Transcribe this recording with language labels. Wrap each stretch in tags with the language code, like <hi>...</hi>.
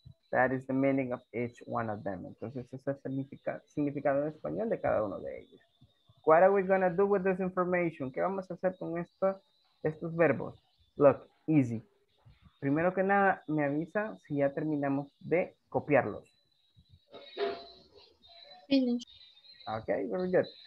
<en>That is the meaning of each one of them.</en> <es>Entonces, ese es el significado en español de cada uno de ellos.</es> <en>What are we going to do with this information?</en> <es>¿Qué vamos a hacer con estos verbos?</es> <en>Look, easy.</en> <es>Primero que nada, me avisa si ya terminamos de copiarlos.</es> <en>Finish. Okay, very good.</en>